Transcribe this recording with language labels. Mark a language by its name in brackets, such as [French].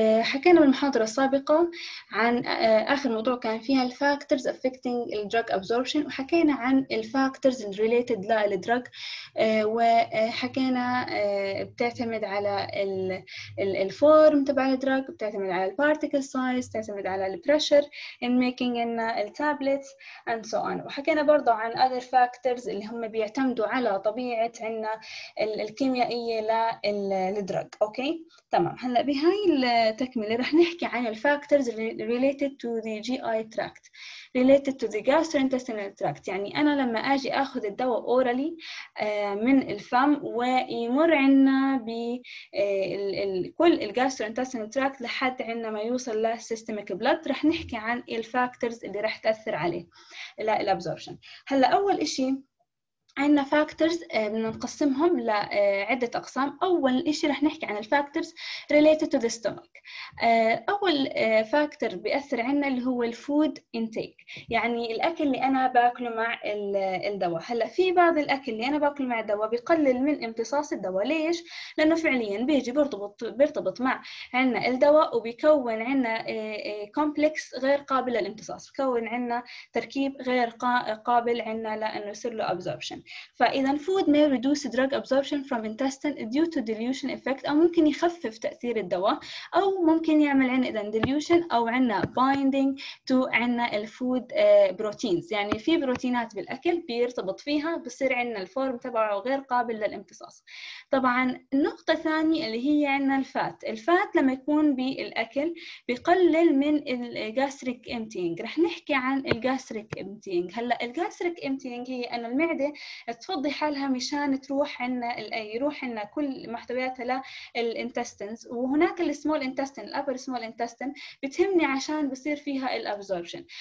[Arabic] حكينا بالمحاضرة السابقة عن آخر موضوع كان فيها الفاكتورز affecting الدراج absorption، وحكينا عن الفاكتورز related للدراج، وحكينا بتعتمد على الفورم تبع الدراج، بتعتمد على البارتيكل سايز، بتعتمد على البريشر ان ميكينج ان [English] tablets and so on. [Arabic] وحكينا برضو عن [English] other factors [Arabic] اللي هم بيعتمدوا على طبيعة عنا الكيميائية للدرج. [English] okay [Arabic] تمام، هلأ بهاي التكملة رح نحكي عن [English] الفاكتورز related to the GI tract related to the gastrointestinal tract. [Arabic] يعني انا لما اجي اخذ الدواء اورالي من الفم ويمر عنا بكل الgastrointestinal tract لحد عنا ما يوصل للsystemic blood، رح نحكي عن الفاكتورز اللي رح تأثر عليه للabsorption. هلا اول اشي عندنا فاكتورز بنقسمهم لعدة أقسام. أول إشي رح نحكي عن الفاكتورز [English] related to the stomach. [Arabic] أول فاكتور بيأثر عندنا اللي هو الفود intake، يعني الأكل اللي أنا باكله مع الدواء. هلا في بعض الأكل اللي أنا باكله مع الدواء بيقلل من امتصاص الدواء، ليش؟ لأنه فعليا بيجي بيرتبط مع عندنا الدواء وبيكون عندنا كومبلكس غير قابل للامتصاص، بيكون عندنا تركيب غير قابل عندنا لأنه يصير له absorption. فإذا [English] food may reduce drug absorption from intestine due to dilution effect، [Arabic] أو ممكن يخفف تأثير الدواء، أو ممكن يعمل عندنا إذا dilution أو عندنا [English] binding to [Arabic] عندنا ال [English] food proteins. [Arabic] يعني في بروتينات بالأكل بيرتبط فيها بصير عندنا الفورم تبعه غير قابل للامتصاص. طبعا النقطة الثانية اللي هي عندنا الفات. الفات لما يكون بالأكل بيقلل من ال gastric emptying. رح نحكي عن ال gastric emptying. هلا ال gastric emptying هي أن المعدة تفضي حالها مشان تروح عنا يروح عنا كل محتوياتها للانتستنز، وهناك السمول انتستن الابر سمول انتستن بتهمني عشان بصير فيها الابزوربشن.